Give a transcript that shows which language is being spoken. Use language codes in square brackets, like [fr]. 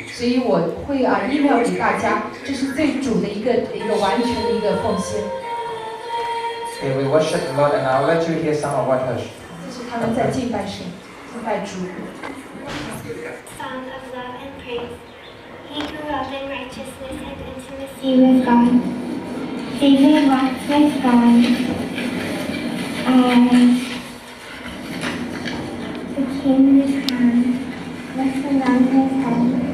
[zh] 所以我会email 给大家，这是对主的一个完全的一个奉献。 [en] Okay, we worship the Lord, and I'll let you hear some of what her. [zh] 这是他们在敬拜神，敬拜主。 [en] Son of love and praise, he grew up in righteousness and intimacy with God. He grew up with God. The king is come, let the Lamb is come.